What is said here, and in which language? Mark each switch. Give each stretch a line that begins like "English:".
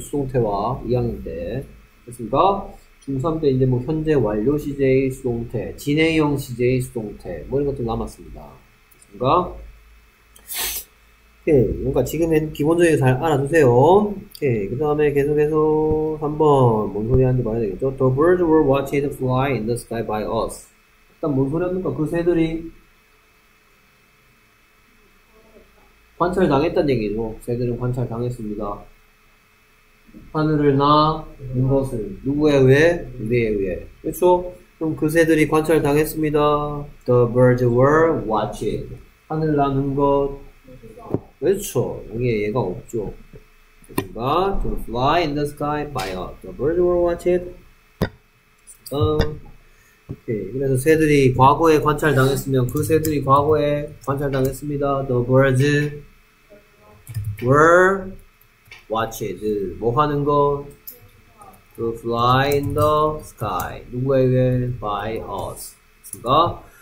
Korean: 수동태와 2학년 때. 됐습니까? 중3 때 이제 뭐 현재 완료 시제의 수동태, 진행형 시제의 수동태, 뭐 이런 것들 남았습니다. 됐습니까? 오케이. 뭔가 지금은 기본적인 잘 알아두세요. 오케이. 그 다음에 계속해서 한번 뭔 소리 하는지 봐야 되겠죠?
English: The birds were watching the fly in the sky by us.
Korean: 일단 뭔 소리 하는가? 그 새들이 관찰당했단 얘기죠. 새들은 관찰당했습니다. 하늘을 나는 것을 누구에 의해? 우리에 의해. 그렇죠? 그럼 그 새들이 관찰당했습니다.
English: The birds were watching.
Korean: 하늘 나는 것. 그렇죠. 여기에 얘가 없죠. 그러니까
English: to fly in the sky by us. The birds were watching.
Korean: 오케이. 그래서 새들이 과거에 관찰당했으면 그 새들이 과거에 관찰당했습니다.
English: The birds were watched.
Korean: 뭐 하는 거?
English: To fly in the sky.
Korean: 누구에게?
English: By us.
Korean: 그니까?